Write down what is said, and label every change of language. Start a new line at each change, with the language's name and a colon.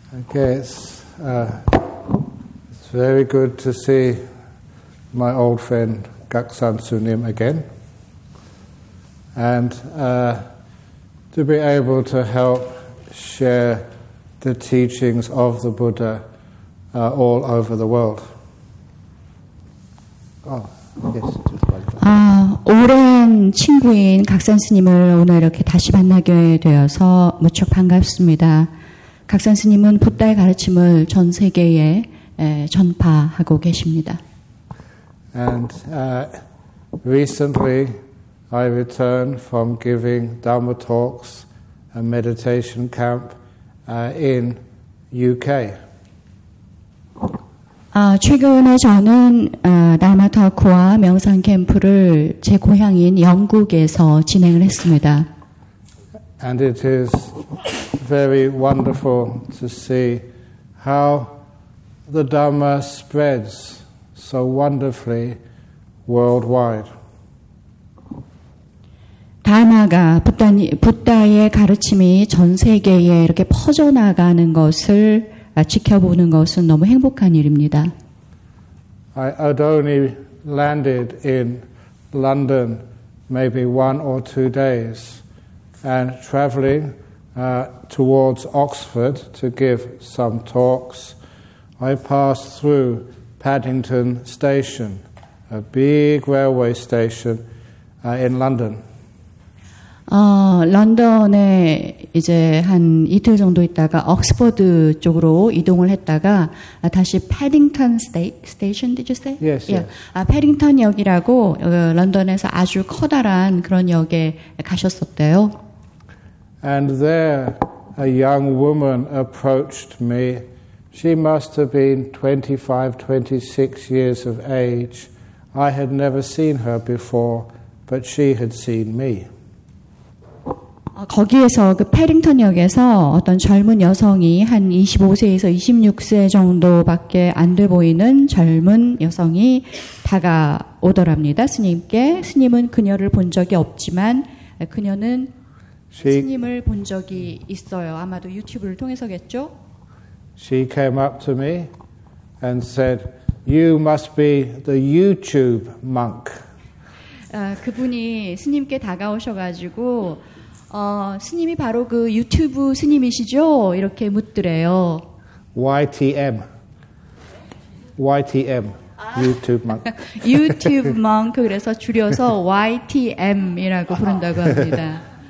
English: Okay, it's very good to see my old friend Kaksan Sunim again, and to be able to help share the teachings of the Buddha all over the world. Oh, yes.
Korean: 아, 오랜 친구인 각산 스님을 오늘 이렇게 다시 만나게 되어서 무척 반갑습니다. 각산 스님은 부다의 가르침을 전 세계에 전파하고 계십니다.
English: And recently I returned from giving Dharma talks and meditation camp in UK.
Korean: 최근에 저는 다마 토크와 명상 캠프를 제 고향인 영국에서 진행을 했습니다.
English: And it is very wonderful to see how the Dharma spreads so wonderfully worldwide.
Korean: 다마가 부다의 가르침이 전 세계에 이렇게 퍼져 나가는 것을 지켜보는 것은 너무 행복한 일입니다.
English: I had only landed in London maybe one or two days and traveling towards Oxford to give some talks. I passed through Paddington Station, a big railway station in London.
Korean: 런던에 이제 한 이틀 정도 있다가 옥스퍼드 쪽으로 이동을 했다가 다시 패딩턴 스테이션,
English: did you say? Yes, yeah. yes.
Korean: 패딩턴 역이라고 런던에서 아주 커다란 그런 역에 가셨었대요.
English: And there a young woman approached me. She must have been 25, 26 years of age. I had never seen her before, but she had seen me.
Korean: 거기에서 그 패링턴역에서 어떤 젊은 여성이 한 25세에서 26세 정도밖에 안 돼 보이는 젊은 여성이 다가오더랍니다. 스님께 스님은 그녀를 본 적이 없지만 그녀는 스님을 본 적이 있어요. 아마도 유튜브를 통해서겠죠.
English: She came up to me and said, "You must be the YouTube monk."
Korean: 그분이 스님께 다가오셔가지고. 스님이 바로 그 유튜브 스님이시죠? 이렇게 묻더래요. YTM. YTM. 유튜브 monk. 유튜브 monk. 그래서 줄여서 YTM이라고 부른다고 합니다.